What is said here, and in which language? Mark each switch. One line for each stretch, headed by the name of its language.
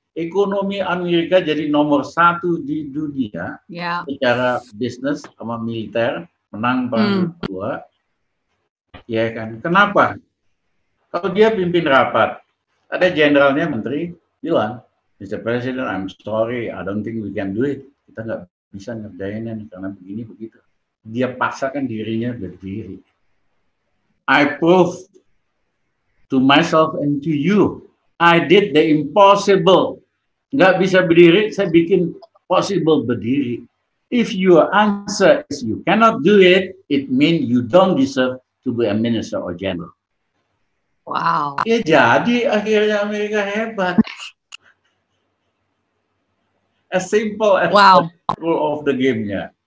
Indonesian: Ekonomi Amerika jadi nomor 1 di dunia secara bisnis sama militer, menang perang dunia. Ya kan? Kenapa? Kalau dia pimpin rapat, ada jenderalnya menteri bilang, Mr.
English: President, I'm sorry, I don't think we can do it.
Indonesian: Kita nggak bisa ngerjainnya karena begini begitu. Dia paksakan dirinya berdiri.
English: I prove to myself and to you, I did the impossible.
Indonesian: Nggak bisa berdiri, saya bikin possible berdiri.
English: If your answer is you cannot do it, it means you don't deserve to be a minister or general. Wow.
Indonesian: Ya jadi akhirnya Amerika hebat. As simple as the rule of the game -nya.